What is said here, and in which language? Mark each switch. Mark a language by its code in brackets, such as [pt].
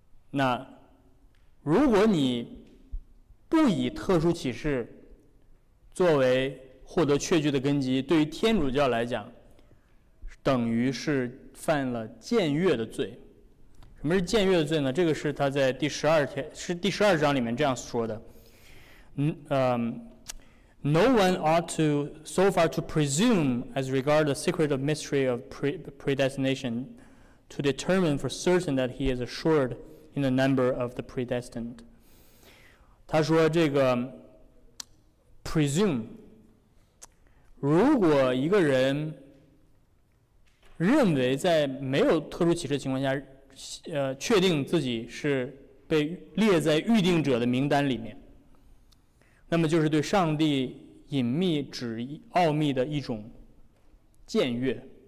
[zh] 那如果你不以特殊启示作为获得确据的根基，对于天主教来讲等于是犯了僭越的罪。什么是僭越的罪呢？这个是他在第十二章里面这样说的。 [en] No one ought to so far to presume as regard the secret of mystery of predestination to determine for certain that he is assured in the number of the predestined. [zh] 他说这个 presume， 如果一个人认为在没有特殊启示的情况下，确定自己是被列在预定者的名单里面，那么就是对上帝隐秘旨意奥秘的一种僭越。